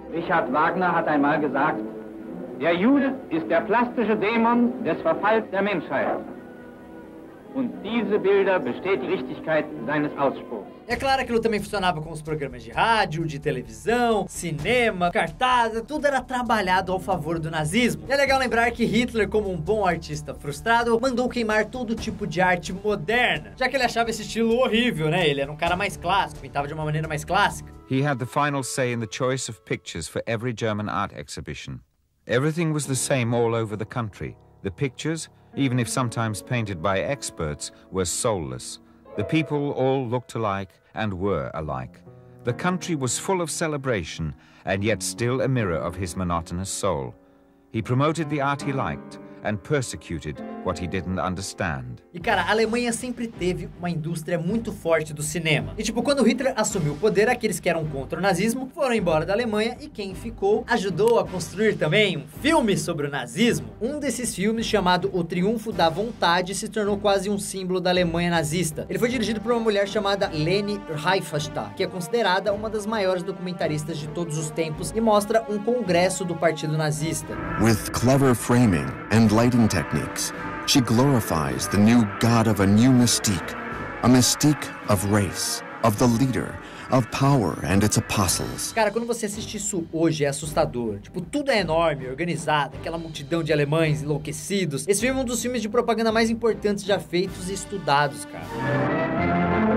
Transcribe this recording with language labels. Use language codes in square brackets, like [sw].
[de] Richard Wagner hat einmal gesagt, der Jude ist der plastische Dämon des Verfalls der Menschheit. Und diese Bilder bestätigen die Richtigkeit seines Ausspruchs. [pt] É claro que aquilo também funcionava com os programas de rádio, de televisão, cinema, cartaz, tudo era trabalhado ao favor do nazismo. E é legal lembrar que Hitler, como um bom artista frustrado, mandou queimar todo tipo de arte moderna, já que ele achava esse estilo horrível, né? Ele era um cara mais clássico, pintava de uma maneira mais clássica. [en] He had the final say in the choice of pictures for every German art exhibition. Everything was the same all over the country. The pictures, even if sometimes painted by experts, were soulless. The people all looked alike and were alike. The country was full of celebration and yet still a mirror of his monotonous soul. He promoted the art he liked and persecuted what he didn't understand. [pt] E cara, a Alemanha sempre teve uma indústria muito forte do cinema. E tipo, quando Hitler assumiu o poder, aqueles que eram contra o nazismo foram embora da Alemanha e quem ficou ajudou a construir também um filme sobre o nazismo. Um desses filmes, chamado O Triunfo da Vontade, se tornou quase um símbolo da Alemanha nazista. Ele foi dirigido por uma mulher chamada Leni Riefenstahl, que é considerada uma das maiores documentaristas de todos os tempos e mostra um congresso do partido nazista. [en] With clever framing and lighting techniques, she glorifies the new god of a new mystique, a mystique of race, of the leader, of power and its apostles. [pt] Cara, quando você assiste isso hoje, é assustador. Tipo, tudo é enorme, organizado, aquela multidão de alemães enlouquecidos. Esse filme é um dos filmes de propaganda mais importantes já feitos e estudados, cara.